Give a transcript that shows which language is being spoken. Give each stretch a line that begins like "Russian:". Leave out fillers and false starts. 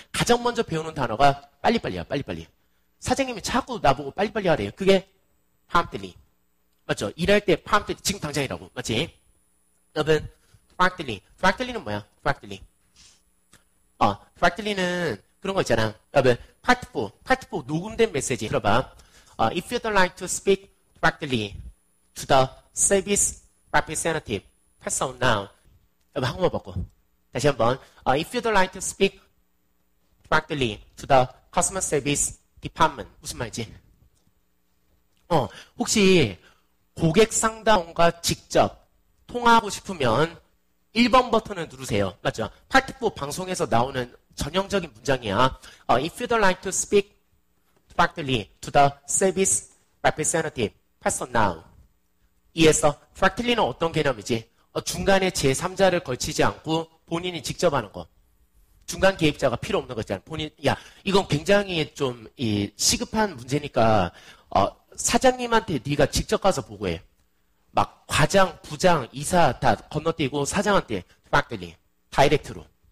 Korean: 가장 먼저 배우는 단어가 빨리빨리야, 빨리빨리. 사장님이 자꾸 나보고 빨리빨리 하래요. 그게 promptly. 맞죠? 일할 때 promptly, 지금 당장이라고. 맞지? 여러분, promptly는 뭐야? promptly. promptly는 그런 거 있잖아. 여러분, part 4, 녹음된 메시지. 들어봐.
English: If you'd like to speak promptly to the service representative, press on now.
Korean: 여러분, 한국말 바꿔. 다시 한번.
English: If you'd like to speak promptly to the customer service department.
Korean: 무슨 말이지? 혹시 고객 상담원과 직접 통화하고 싶으면 1번 버튼을 누르세요. 맞죠? 파트 4 방송에서 나오는 전형적인 문장이야.
English: If you'd like to speak directly to the service representative, press on now.
Korean: 이해했어? directly는 어떤 개념이지? 중간에 제3자를 걸치지 않고 본인이 직접 하는 거. 중간 개입자가 필요 없는 거잖아. 본인, 야, 이건 굉장히 좀이 시급한 문제니까 사장님한테 네가 직접 가서 보고해. 막 과장, 부장, 이사 다 건너뛰고 사장한테 directly, 다이렉트로.